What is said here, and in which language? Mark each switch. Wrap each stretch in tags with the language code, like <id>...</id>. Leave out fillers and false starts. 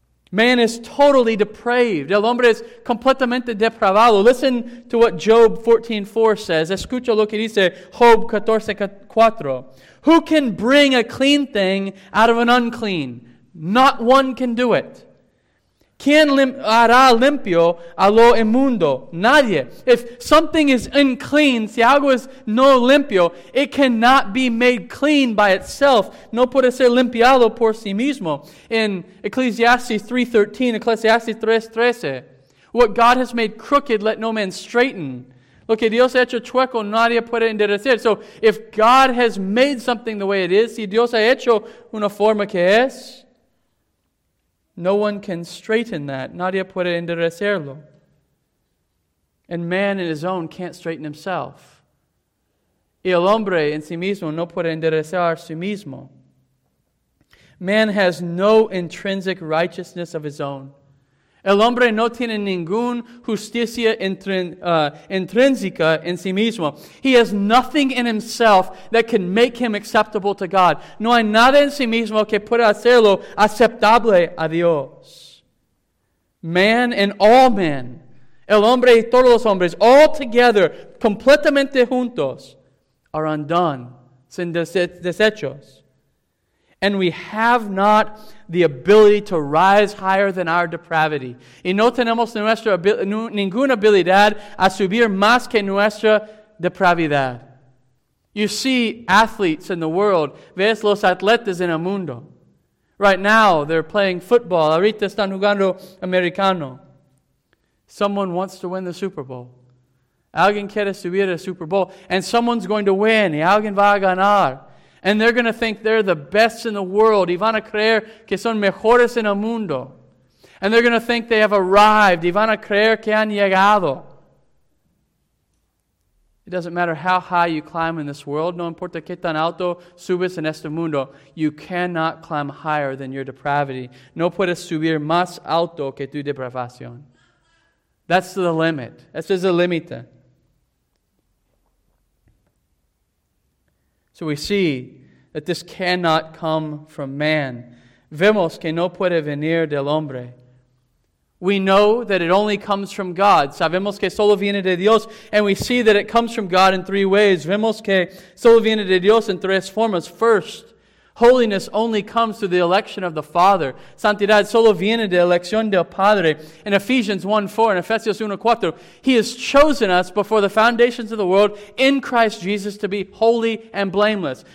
<en>Man is totally depraved.</en> <es>El hombre es completamente depravado.</es> <en>Listen to what Job 14:4 says.</en> <es>Escucha lo que dice Job 14:4.</es> <en>Who can bring a clean thing out of an unclean? Not one can do it.</en> <es>¿Quién hará limpio a lo inmundo? Nadie.</es> <en>If something is unclean,</en> <es>si algo es no limpio,</es> <en>it cannot be made clean by itself.</en> <es>No puede ser limpiado por sí mismo.</es> <en>In Ecclesiastes 3:13, what God has made crooked, let no man straighten.</en> <es>Lo que Dios ha hecho chueco, nadie puede enderezar.</es> <en>So if God has made something the way it is,</en> <es>si Dios ha hecho una forma que es,</es> <en>no one can straighten that.</en> <es>Nadie puede enderezarlo.</es> <en>And man in his own can't straighten himself.</en> <es>Y el hombre en sí mismo no puede enderezar sí mismo.</es> <en>Man has no intrinsic righteousness of his own.</en> <es>El hombre no tiene ninguna justicia intrínseca en sí mismo.</es> <en>He has nothing in himself that can make him acceptable to God.</en> <es>No hay nada en sí mismo que pueda hacerlo aceptable a Dios.</es> <en>Man and all men.</en> <es>El hombre y todos los hombres.</es> <en>All together.</en> <es>Completamente juntos.</es> <en>Are undone.</en> <es>Sin desechos.</es> <en>And we have not the ability to rise higher than our depravity.</en> <es>Y no tenemos ninguna habilidad a subir más que nuestra depravidad.</es> <en>You see athletes in the world.</en> <es>Ves los atletas en el mundo.</es> <en>Right now, they're playing football.</en> <es>Ahorita están jugando americano.</es> <en>Someone wants to win the Super Bowl.</en> <es>Alguien quiere subir a Super Bowl.</es> <en>And someone's going to win.</en> <es>Y alguien va a ganar.</es> <en>And they're going to think they're the best in the world.</en> <es>Y van a creer que son mejores en el mundo.</es> <en>And they're going to think they have arrived.</en> <es>Y van a creer que han llegado.</es> <en>It doesn't matter how high you climb in this world.</en> <es>No importa qué tan alto subes en este mundo.</es> <en>You cannot climb higher than your depravity.</en> <es>No puedes subir más alto que tu depravación.</es> <en>That's the limit.</en> <es>Ese es el límite.</es> <en>So we see that this cannot come from man.</en> <es>Vemos que no puede venir del hombre.</es> <en>We know that it only comes from God.</en> <es>Sabemos que solo viene de Dios.</es> <en>And we see that it comes from God in three ways.</en> <es>Vemos que solo viene de Dios en tres formas.</es> <en>First, holiness only comes through the election of the Father.</en> <es>Santidad solo viene de elección del Padre.</es> <en>In Ephesians 1:4 and Ephesians 1:4, He has chosen us before the foundations of the world in Christ Jesus to be holy and blameless.</en>